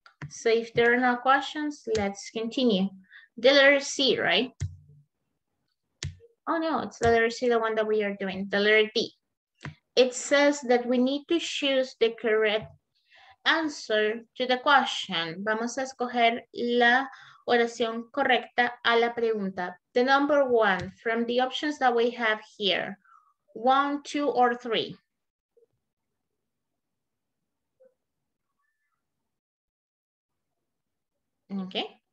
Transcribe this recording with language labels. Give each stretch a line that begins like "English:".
English: So if there are no questions, let's continue. The letter C, right? Oh no, it's the letter C, the one that we are doing, the letter D. It says that we need to choose the correct answer to the question.
Spanish: Vamos a escoger la oración correcta a la pregunta.
English: The number one from the options that we have here, 1, 2, or 3. Okay.